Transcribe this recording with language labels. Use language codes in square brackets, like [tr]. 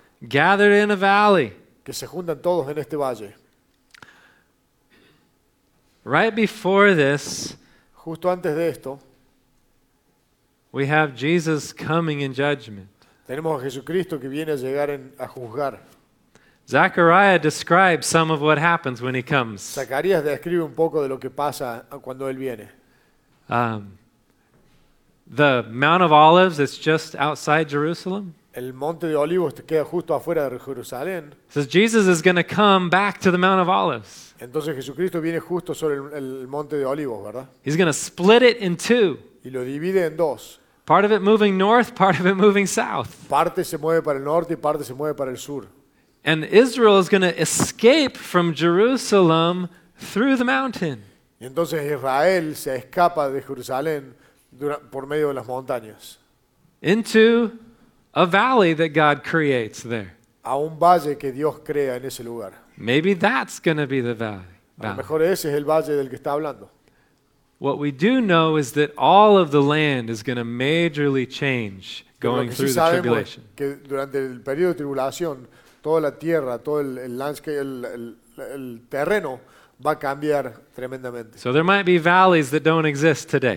[en] Gathered in a valley. [es] Que se juntan todos en este valle. [en] Right before this, [es] justo antes de esto, [en] we have Jesus coming in judgment. [es] Tenemos a Jesucristo que viene a llegar a juzgar. [en] Zechariah describes some of what happens when he comes. [es] Zacarías describe un poco de lo que pasa cuando él viene. [en] The Mount of Olives is just outside Jerusalem. [es] El Monte de Olivos queda justo afuera de Jerusalén. [en] Says Jesus is going to come back to the Mount of Olives. [es] Entonces Jesucristo viene justo sobre el Monte de Olivos, ¿verdad? [en] He's going to split it in two. [es] Y lo divide en dos. [en] Part of it moving north, part of it moving south. [es] Parte se mueve para el norte y parte se mueve para el sur. [en] And Israel is going to escape from Jerusalem through the mountain. [es] Y entonces Israel se escapa de Jerusalén por medio de las montañas. [en] Into a valley that God creates there. [es] A un valle que Dios crea en ese lugar. [en] Maybe that's going to be the valley. [es] A lo mejor ese es el valle del que está hablando. [en] What we do know is that all of the land is going to majorly change going through the tribulation. [es] Que durante el periodo de tribulación, toda la tierra, todo el landscape, el terreno va a cambiar tremendamente. [en] So there might be valleys that don't exist today.